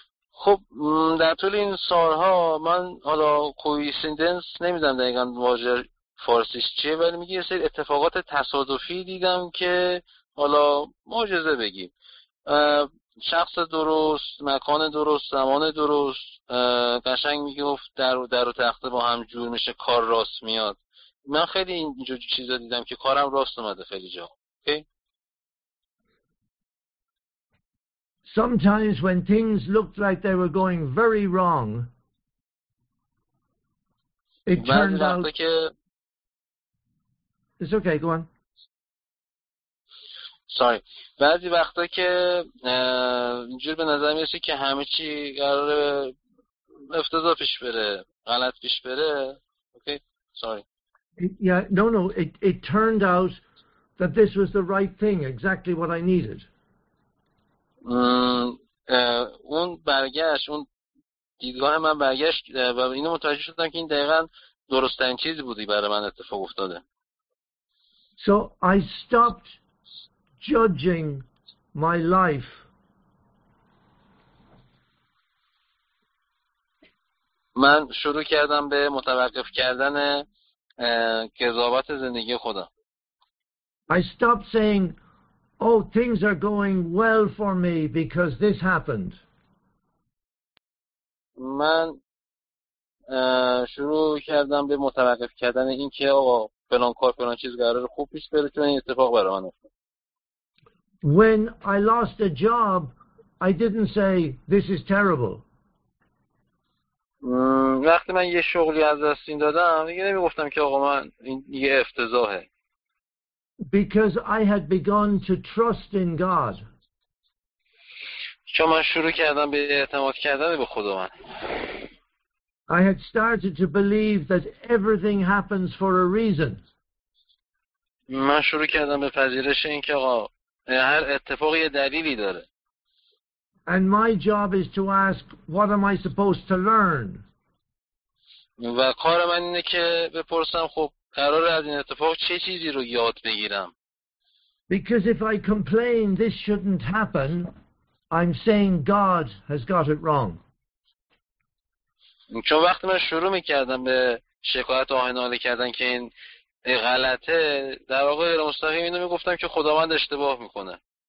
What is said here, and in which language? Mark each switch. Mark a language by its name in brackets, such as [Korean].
[Persian] خب در طول این سالها من حالا کوئینسیدنس نمیدونم دقیقاً واژه فارسیش چیه ولی میگه یه سری اتفاقات تصادفی دیدم که حالا معجزه بگیم. شخص درست، مکان درست، زمان درست، قشنگ میگفت در و تخته با هم جور میشه، کار راست میاد. من خیلی اینجور چیزا دیدم که کارم راست اومده خیلی جا. اوکی؟ [English] Sometimes when things looked like they were going very wrong, it turned out. It's okay. Go on. Sorry. [Persian] بعضی وقتا که اینجور به نظر میرسه که همه چی قرار افتضاح پیش بره، غلط پیش بره. [English] Okay. Sorry. Yeah. No. It turned out that this was the right thing, exactly what I needed. [Persian] اون برگشت، اون دیدگاه من برگشت و اینو متوجه شدم که این دقیقاً درست‌ترین چیزی بودی برای من اتفاق افتاده. [English] So I stopped judging my life. [Persian] من شروع کردم به متوقف کردن قضاوت زندگی خودم. [English] I stopped saying oh, things are going well for me because this happened. [Persian] من شروع کردم به متوقف کردن این که آقا فلان کار فلان چیز قرار خوب پیش بره چون این اتفاق برای من افتاد. [English] When I lost a job, I didn't say this is terrible. [Persian] وقتی من یه شغلی از دست دادم دیگه نمیگفتم که آقا من این یه افتضاحه. [English] Because I had begun to trust in God. [Persian] چون من شروع کردم به اعتماد کردن به خدا من. [English] I had started to believe that everything happens for a reason. [Persian] من شروع کردم به پذیرش این که هر اتفاقی دلیلی داره. [English] And my job is to ask, what am I supposed to learn? [Persian] و کار من اینه که بپرسم خب قراره از این اتفاق چه چیزی رو یاد بگیرم. [English] Because if I complain this shouldn't happen, I'm saying God has got it wrong. [Persian] چون وقتی من شروع میکردم به شکایت و آه‌ناله کردن که این غلطه، در واقع غیر مستقیم اینو میگفتم که خداوند اشتباه میکنه.